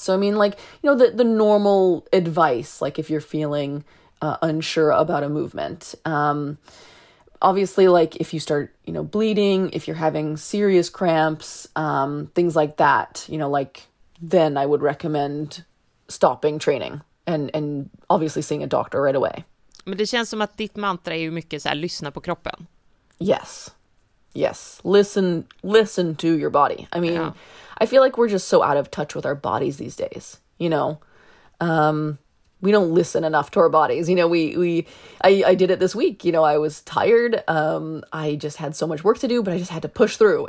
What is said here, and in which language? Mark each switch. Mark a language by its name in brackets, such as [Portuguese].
[English] So, I mean, like, you know, the normal advice, like if you're feeling unsure about a movement. Obviously, like if you start, you know, bleeding, if you're having serious cramps, things like that, you know, like then I would recommend stopping training and obviously seeing a doctor right away. [Swedish] Men det känns som att ditt mantra är ju mycket så här, lyssna på kroppen. [English] Yes. Yes. Listen to your body. I mean, yeah. I feel like we're just so out of touch with our bodies these days, you know? We don't listen enough to our bodies. You know, I did it this week. You know, I was tired. I just had so much work to do, but I just had to push through.